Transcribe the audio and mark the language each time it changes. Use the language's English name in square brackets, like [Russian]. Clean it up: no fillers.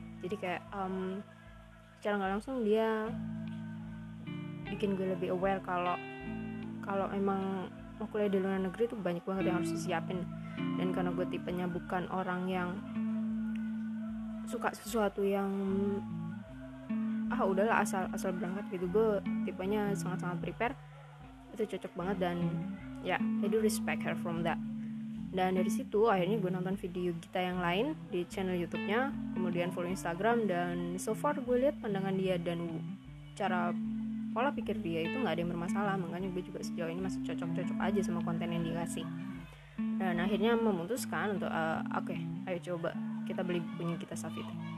[Indonesian] Jadi kayak secara gak langsung dia bikin gue lebih aware kalau emang mau kuliah di luar negeri tuh banyak banget yang harus disiapin. Dan karena gue tipenya bukan orang yang suka sesuatu yang udahlah asal berangkat gitu, gue tipenya sangat-sangat prepare. Itu cocok banget dan ya, [English] I do respect her from that. [Indonesian] Dan dari situ akhirnya gue nonton video Gita yang lain di channel YouTube-nya, kemudian follow Instagram, dan so far gue lihat pandangan dia dan cara pola pikir dia itu gak ada yang bermasalah, makanya gue juga sejauh ini masih cocok-cocok aja sama konten yang dikasih. Dan akhirnya memutuskan untuk okay, ayo coba kita beli bukunya Gita Savitri.